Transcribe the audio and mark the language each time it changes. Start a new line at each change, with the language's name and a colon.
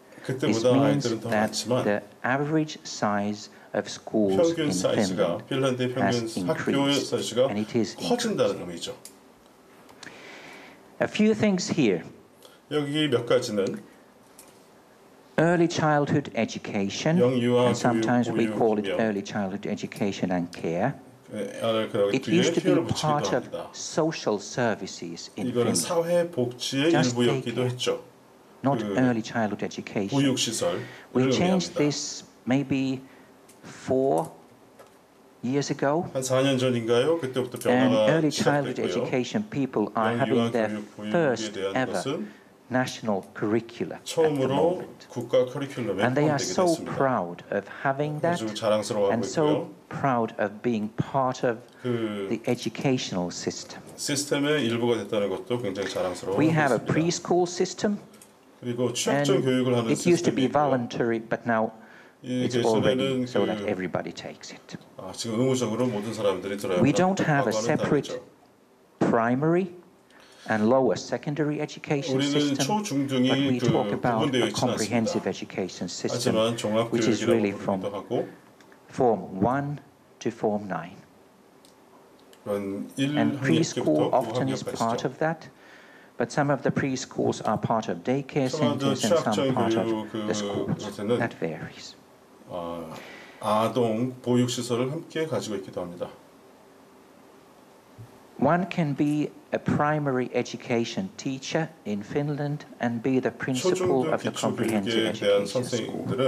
English: This means that the average size of schools in Finland has increased, and it is increasing. A few things here.
Korean: 여기 몇 가지는
English: early childhood education, and sometimes we call it early childhood education and care. It used to be part of social services in Finland.
Korean: 이거는 사회 복지의 일부였기도 했죠.
English: Not early childhood education.
Korean: 보육시설.
English: We changed this maybe 4 years ago.
Korean: 한 4년 전인가요? 그때부터 변화가 시작됐고요.
English: Early childhood education people are having their first ever. National curricula.
Korean: 처음으로 국가 커리큘럼에
English: And they are so proud of having that. And so proud of being part of the educational system.
Korean: 시스템의 일부가 됐다는 것도 굉장히 자랑스러워.
English: We have a preschool system.
Korean: 그리고 취업적 교육을 하는
English: It used to be voluntary, but now it's already so that everybody takes it.
Korean: 아, 지금 의무적으로 모든 사람들이 들어야
English: We don't have a separate primary. And lower secondary education system, but we talk about a comprehensive education system, which is really from form 1 to form 9. And preschool often is part of that, but some of the preschools are part of daycare centers and some part of the schools. That varies.
Korean: 아동 보육시설을 함께 가지고 있기도 합니다.
English: One can be a primary education teacher in Finland and be the principal of the comprehensive education school.